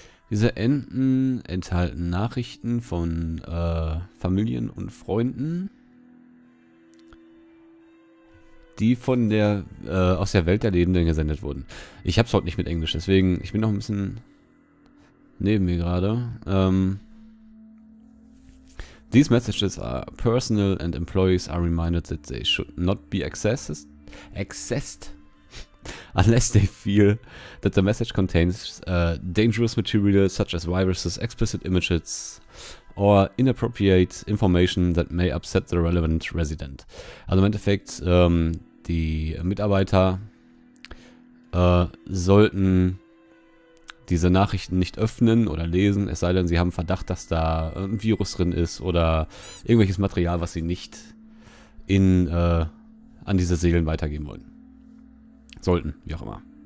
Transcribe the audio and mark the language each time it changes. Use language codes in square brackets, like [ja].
[de] Diese Enden enthalten Nachrichten von Familien und Freunden, die von der aus der Welt der Lebenden gesendet wurden. Ich hab's heute nicht mit Englisch, deswegen ich bin noch ein bisschen neben mir gerade. [en] These messages are personal and employees are reminded that they should not be accessed unless they feel that the message contains dangerous material such as viruses, explicit images or inappropriate information that may upset the relevant resident. [de] Also im Endeffekt, die Mitarbeiter sollten diese Nachrichten nicht öffnen oder lesen, es sei denn, sie haben Verdacht, dass da ein Virus drin ist oder irgendwelches Material, was sie nicht in an diese Seelen weitergeben wollen. Sollten, wie auch immer.